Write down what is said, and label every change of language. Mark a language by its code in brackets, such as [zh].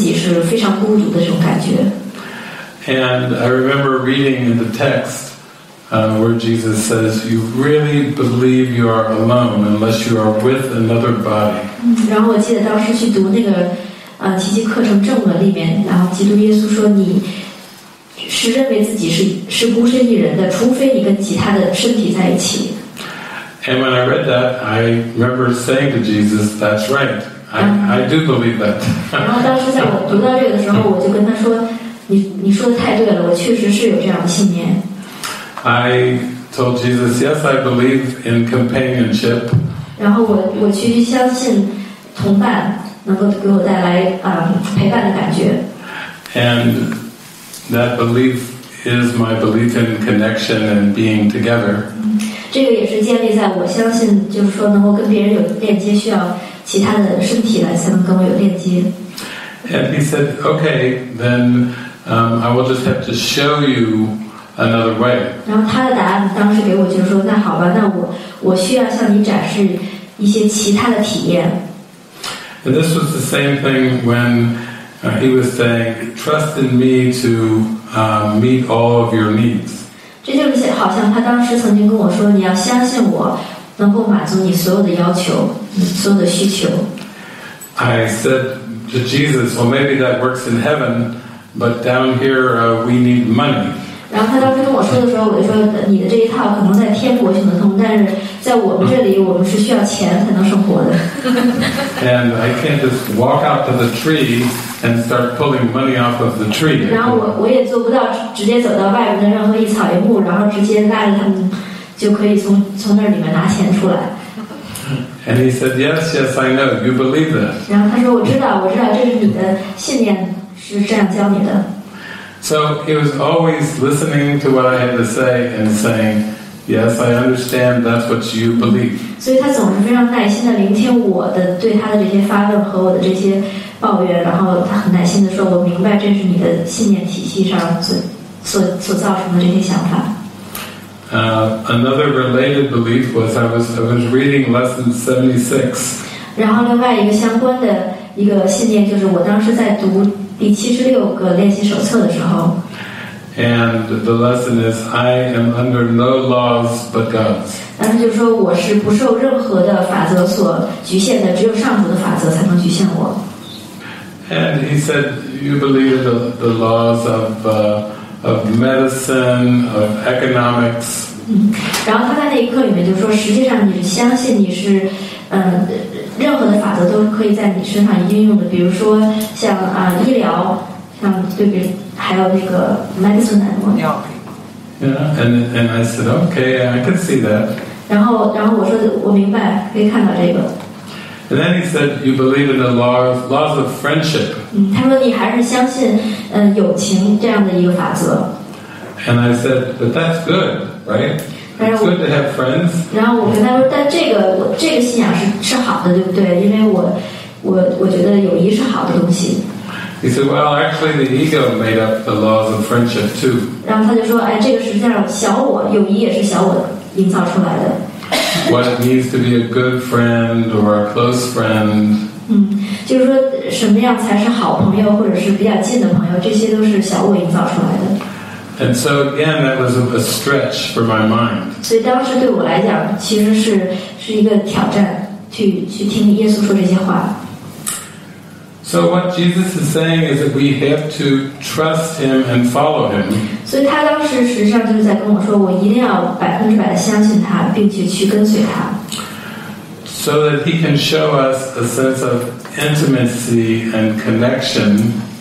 [en] And I remember reading in the text where Jesus says, "You really believe you are alone unless you are with another body." [zh] 然后我记得当时去读那个奇迹课程正文里面，然后基督耶稣说，你是认为自己是孤身一人的，除非你跟其他的身体在一起。 [en] And when I read that, I remember saying to Jesus, "That's right." I do believe that. [zh] 然后当时在我读到这个的时候，我就跟他说：“你说的太对了，我确实是有这样的信念。” [en] I told Jesus, "Yes, I believe in companionship." [zh] 然后我其实相信同伴能够给我带来陪伴的感觉。 [en] And that belief is my belief in connection and being together. [zh] 这个也是建立在我相信，就是说能够跟别人有链接，需要。其他的身体来才能跟我有链接。 [en] And he said, "Okay, then, I will just have to show you another way." [zh] 然后他的答案当时给我就是说，那好吧，那我需要向你展示一些其他的体验。 [en] And this was the same thing when he was saying, "Trust in me to meet all of your needs." [zh] 这就是好像他当时曾经跟我说，你要相信我。能够满足你所有的要求，所有的需求。 [en] I said to Jesus, "Well, maybe that works in heaven, but down here, we need money." [zh] 然后他当时跟我说的时候，我就说：“你的这一套可能在天国行得通，但是在我们这里，我们是需要钱才能生活的。” [en] And I can't just walk out to the tree and start pulling money off of the tree. [zh] 然后我也做不到直接走到外面的任何一草一木，然后直接拉着他们。就可以从那里面拿钱出来。 [en] And he said, "Yes, yes, I know. You believe that." [zh] 然后他说，我知道，这是你的信念，是这样教你的。 [en] So he was always listening to what I had to say and saying, "Yes, I understand. That's what you believe." [zh] 所以他总是非常耐心的聆听我的对他的这些发问和我的这些抱怨，然后他很耐心的说，我明白这是你的信念体系上所造成的这些想法。 [en] Another related belief was I was reading lesson 76. [zh] 然后另外一个相关的一个信念就是我当时在读第76个练习手册的时候。 [en] And the lesson is, "I am under no laws but God's." [zh] 当时就说我是不受任何的法则所局限的，只有上主的法则才能局限我。 [en] And he said, "You believe the laws of medicine, of economics." [zh] 然后他在那一课里面就说，实际上你是相信你是，任何的法则都可以在你身上应用的，比如说像医疗，像对比，还有那个 medicine 什么。 [en] Yeah, and I said, "Okay, I can see that." [zh] 然后我说我明白，可以看到这个。 [en] And then he said, "You believe in the laws of friendship." [zh] 他说你还是相信友情这样的一个法则。 [en] And I said, "But that's good, right? It's good to have friends." [zh] 然后我跟他说，但这个信仰是好的，对不对？因为我觉得友谊是好的东西。 [en] He said, well, actually the ego made up the laws of friendship too. [zh] 然后他就说,这个实际上小我,友谊也是小我营造出来的。 [en] What needs to be a good friend or a close friend? [zh] 就是说什么样才是好朋友或者是比较近的朋友,这些都是小我营造出来的。 [en] And so again, that was a stretch for my mind. [zh] 所以当时对我来讲,其实是一个挑战,去听耶稣说这些话。 [en] So what Jesus is saying is that we have to trust Him and follow Him. [zh] 所以他当时实际上就是在跟我说,我一定要100%的相信他,并且去跟随他。 [en] So that He can show us a sense of intimacy and connection.